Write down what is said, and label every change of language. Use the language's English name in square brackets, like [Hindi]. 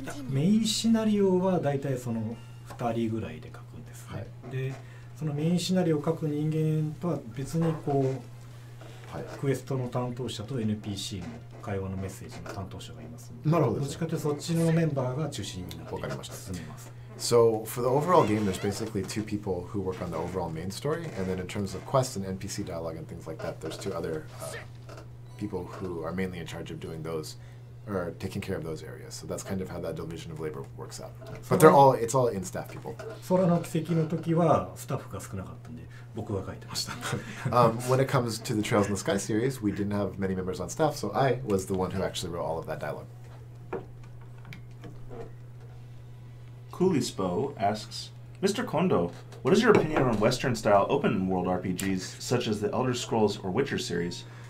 [Japanese] メインシナリオは大体その2人ぐらいで書くんです、ね、はい、でそのメインシナリオを書く人間とは別にこう、はい、クエストの担当者と NPC の会話のメッセージの担当者がいます。なるほど。どっちかというとそっちのメンバーが中心になって進めます。わかりました。 [English] So for the overall game, there's basically two people who work on the overall main story, and then in terms of quests and NPC dialogue and things like that, there's two other people who are mainly in charge of doing those or taking care of those areas. So that's kind of how that division of labor works out. But they're all it's all in staff people. [Japanese] 空の奇跡の時はスタッフが少なかったんで。僕が書いてました。 [English] when it comes to the Trails in the Sky series, we didn't have many members on staff, so I was the one who actually wrote all of that dialogue. Coolispo asks, Mr. Kondo, what is your opinion on Western-style open-world RPGs such as the Elder Scrolls or Witcher series?